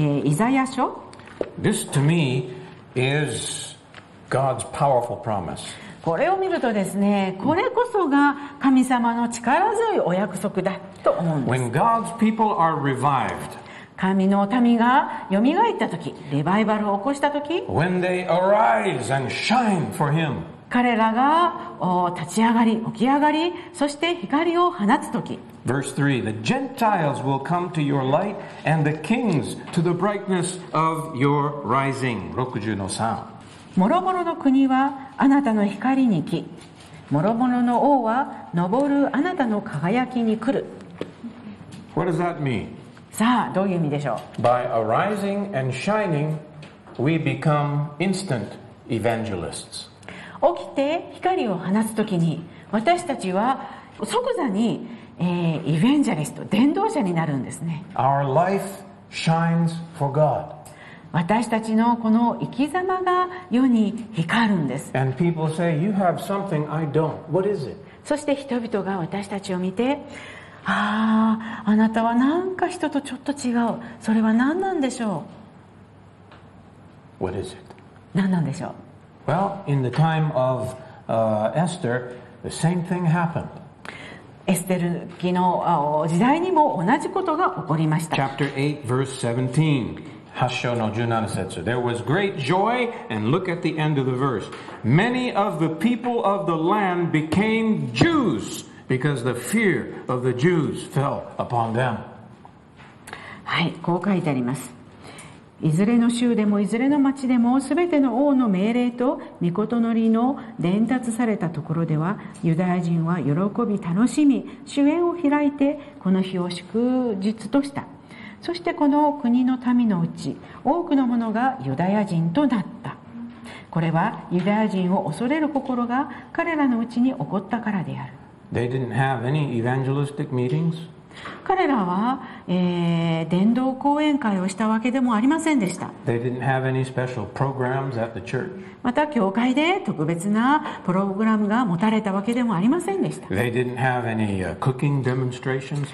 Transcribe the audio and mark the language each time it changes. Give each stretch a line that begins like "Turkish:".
Japanese: イザヤ書。
English: This to me is God's powerful promise.
Japanese: これを見るとですね、これこそが神様の力強いお約束だと思うんです。
English: When God's people are revived,
Japanese: 神の民がよみがえったとき、リバイバルを起こしたとき、
English: When they arise and shine for him,
Japanese: 彼らが立ち上がり、起き上がり、そして光を放つとき、
English: Verse 3, the Gentiles will come to your light and the kings to the brightness of your rising.
Japanese: 60の3。もろもろの国はあなたの光に来、もろもろの王は昇るあなたの輝きに来る。
English: What does that mean?
Japanese: さあどういう意味でしょう。
English: By arising and shining, we become instant evangelists.
Japanese: 起きて光を放つときに私たちは即座に、イベンジャリスト、伝道者になるんですね。
English: Our life shines for God.
Japanese: 私たちのこの生き様が世に光るんです。
English: And people say, you have something I don't. What is it?
Japanese: そして人々が私たちを見て、ああ、あなたはなんか人とちょっと違う。それは何なんでしょう。
English: What is it?
Japanese: 何なんでしょう。
English: Well, in the time of Esther, the same thing happened.
Japanese: エステル記の時代にも同じことが起こりました。
English: Chapter 8, verse 17.
Japanese: 8章の17節。
English: There was great joy, and look at the end of the verse. Many of the people of the land became Jews because the fear of the Jews fell upon them.
Japanese: はい、こう書いてあります。いずれの州でもいずれの町でも、すべての王の命令と御言の律の伝達されたところでは、ユダヤ人は喜び楽しみ、主宴を開いてこの日を祝日とした。そしてこの国の民のうち多くの者がユダヤ人となった。これはユダヤ人を恐れる心が彼らのうちに起こったからである。
English: They didn't have any evangelistic meetings.
Japanese: 彼らは、伝道講演会をしたわけでもありませんでした。
English: They didn't have any special programs at the church.
Japanese: また教会で特別なプログラムが持たれたわけでもありませんでした。
English: They didn't have any cooking demonstrations.